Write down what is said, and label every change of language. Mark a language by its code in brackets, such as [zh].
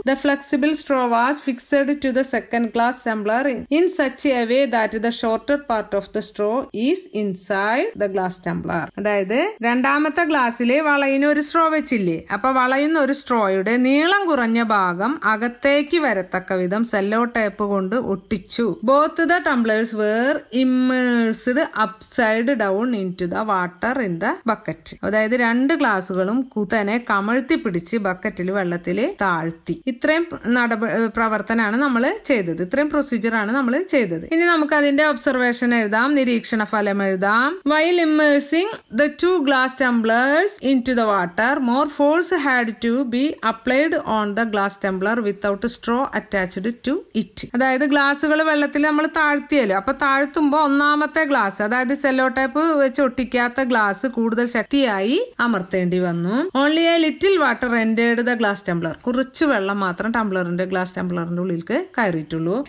[en] The flexible straw was fixed to the second glass tumbler in such a way that the shorter part of the straw is inside the glass tumbler. [ml] അതായത് രണ്ടാമത്തെ ഗ്ലാസ്സിലെ വളയിന് ഒരു straw വെച്ചില്ലേ, അപ്പൊ വളയുന്ന ഒരു സ്ട്രോയുടെ നീളം കുറഞ്ഞ ഭാഗം അകത്തേക്ക് വരത്തക്ക വിധം സെല്ലോ ടേപ്പ് കൊണ്ട് ഒട്ടിച്ചു. [en] Both the tumblers immersed upside down into the water in the bucket. [ml] അതായത് രണ്ട് ഗ്ലാസുകളും കുതനെ കമഴ്ത്തി പിടിച്ച് ബക്കറ്റിൽ വെള്ളത്തിൽ താഴ്ത്തി. ഇത്രയും പ്രവർത്തനമാണ് നമ്മൾ ചെയ്തത്. ഇത്രയും പ്രൊസീജിയർ ആണ് നമ്മൾ ചെയ്തത്. ഇനി നമുക്ക് അതിന്റെ ഒബ്സർവേഷൻ എഴുതാം, നിരീക്ഷണ ഫലം എഴുതാം. [en] While immersing the two glass tumblers into the water, more force had to be applied on the glass tumbler without straw attached to it. [ml] അതായത് ഗ്ലാസുകൾ വെള്ളത്തിൽ നമ്മൾ താഴ്ത്തിയല്ലോ, അപ്പൊ താഴ്ത്തുമ്പോ ഒന്നാമത്തെ ഗ്ലാസ്, അതായത് സെല്ലോ ടൈപ്പ് വെച്ച് ഒട്ടിക്കാത്ത ഗ്ലാസ് കൂടുതൽ ശക്തിയായി അമർത്തേണ്ടി വന്നു. [en] Only a little water entered the glass tumbler. [ml] കുറച്ച് വെള്ളം മാത്രം ടംബ്ലറിന്റെ ഗ്ലാസ് ടംബ്ലറിന്റെ ഉള്ളിൽ കയറിയിട്ടുള്ളൂ.